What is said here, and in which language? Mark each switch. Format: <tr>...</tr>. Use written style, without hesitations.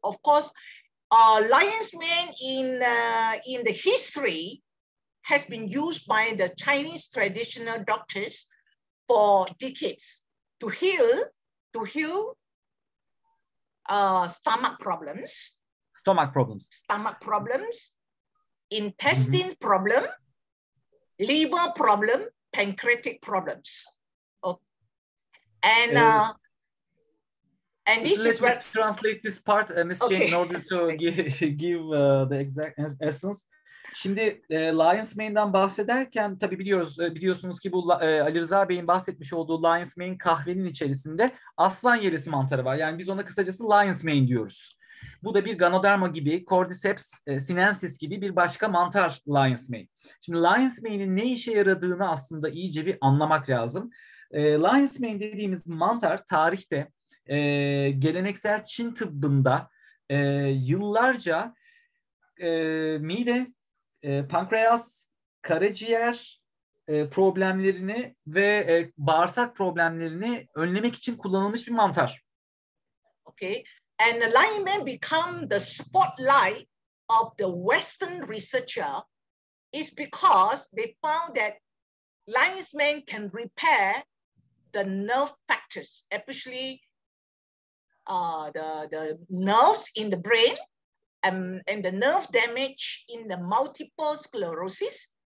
<en>Of course, Lion's Mane in the history has been used by the Chinese traditional doctors for decades to heal stomach problems, intestine mm-hmm. problem, liver problem, pancreatic problems. Okay. And and this let is me where... translate this part, Ms. Okay. Jane, in order to give the exact essence.</en> <tr>Şimdi Lion's Mane'den bahsederken tabii biliyorsunuz ki bu Ali Rıza Bey'in bahsetmiş olduğu Lion's Mane kahvenin içerisinde aslan yelisi mantarı var. Yani biz ona kısacası Lion's Mane diyoruz. Bu da bir Ganoderma gibi, Cordyceps sinensis gibi bir başka mantar Lion's Mane. Şimdi Lion's Mane'in ne işe yaradığını aslında iyice bir anlamak lazım. Lion's Mane dediğimiz mantar tarihte geleneksel Çin tıbbında yıllarca mide, pankreas, karaciğer problemlerini ve bağırsak problemlerini önlemek için kullanılmış bir mantar.</tr> <en>Okay. And the Lion Mane become the spotlight of the Western researcher is because they found that Lion's Mane can repair the nerve factors, especially the nerves in the brain and the nerve damage in the multiple sclerosis.</en>